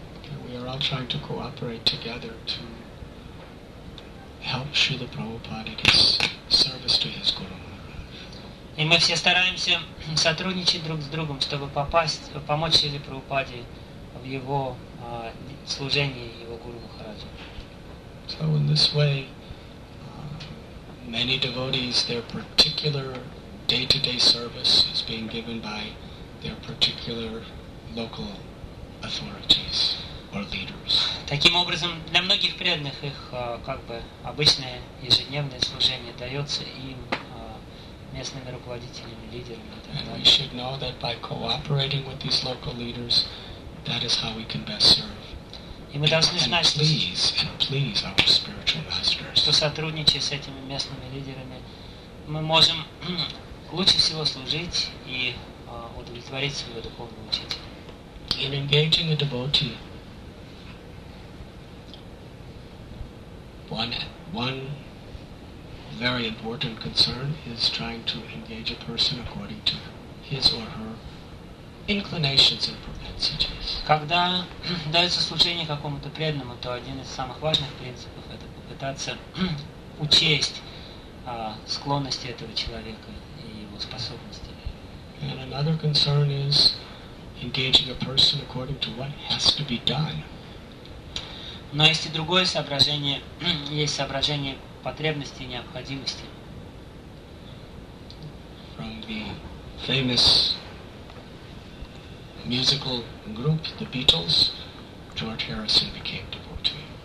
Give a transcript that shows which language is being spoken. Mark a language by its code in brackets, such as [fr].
[en] And we are all trying to cooperate together to help Srila Prabhupada in his service to his Guru. [ru] И мы все стараемся сотрудничать друг с другом, чтобы помочь Шриле Прабхупаде в его служении его Гуру Махараджу. [en] So in this way, many devotees, their particular day-to-day service is being given by their particular local authorities or leaders. [ru] Таким образом, для многих преданных их как бы обычное ежедневное служение дается им местными руководителями, лидерами. [en] And we should know that by cooperating with these local leaders, that is how we can best serve. [ru] И мы должны знать, [en] please, our spiritual masters, [ru] что сотрудничая с этими местными лидерами, мы можем лучше всего служить и удовлетворить своего духовного учителя. [en] In engaging a devotee, One very important concern is trying to engage a person according to his or her inclinations and propensities. [ru] Когда дается служение какому-то преданному, то один из самых важных принципов – это попытаться учесть склонности этого человека и его способности. [en] And another concern is engaging a person according to what has to be done. [ru] Но есть и другое соображение, есть соображение потребности и необходимости. [en] From the famous musical group, the Beatles, George Harrison became devotee.